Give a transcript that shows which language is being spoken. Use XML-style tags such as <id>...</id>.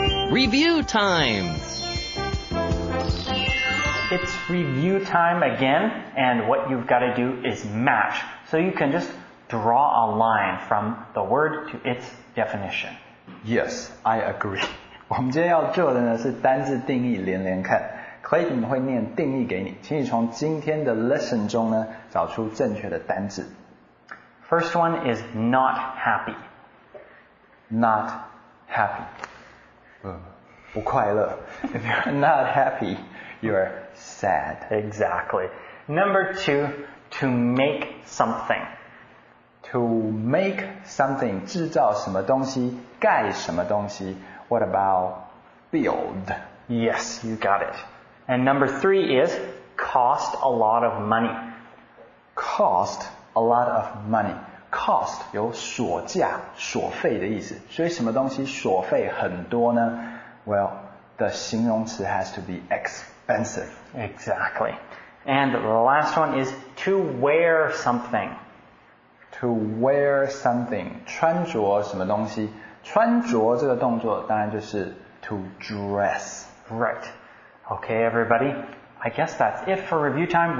<en>Review time! It's review time again, and what you've got to do is match. So you can just draw a line from the word to its definition. Yes, I agree.</en> <zh>我们今天要做的呢是单字定义连连看。 Clayton 会念定义给你，请你从今天的 lesson 中呢找出正确的单字。</zh> <en>First one is not happy. Not happy.</en> <zh>不快乐。</zh> <en>If you're not happy, you're sad. Exactly. Number two,To make something. To make something,</en> <zh>制造什么东西，盖什么东西。</zh> <en>What about build? Yes, you got it. And number three is cost a lot of money. Cost a lot of money. Cost</en> <zh>有索价、索费的意思。所以什么东西索费很多呢？</zh> <en>Well, the 形容词 has to be expensive. Exactly. And the last one is to wear something. To wear something.</en> <zh>穿着什么东西？穿着这个动作当然就是 to dress.</zh> <en>Right. Okay, everybody. I guess that's it for review time.</en>